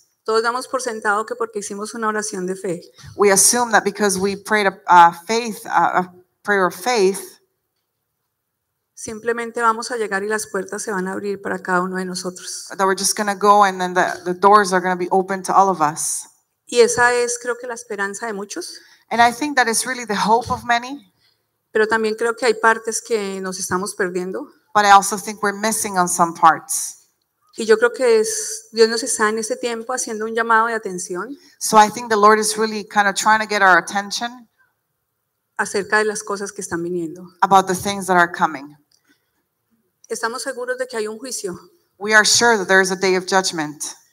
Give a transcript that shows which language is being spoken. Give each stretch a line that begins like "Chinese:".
Spanish: Todos damos por sentado que porque hicimos una oración de fe.
English: We assume that because we prayed a prayer of faith.
Spanish: Simplemente vamos a llegar y las puertas se van a abrir para cada uno de nosotros.
English: That we're just going to go and then the doors are going to be open to all of us.
Spanish: Y esa es creo que la esperanza de muchos.
English: And I think that is really the hope of many.
Spanish: Pero también creo que hay partes que nos estamos perdiendo.
English: But I also think we're missing on some parts.
Spanish: Y yo creo que es Dios nos está en este tiempo haciendo un llamado de atención.
English: So I think the Lord is really kind of trying to get our attention.
Spanish: Acerca de las cosas que están viniendo.
English: About the things that are coming.
Spanish: Estamos seguros de que hay un juicio.
English: We are sure that there is a day of judgment.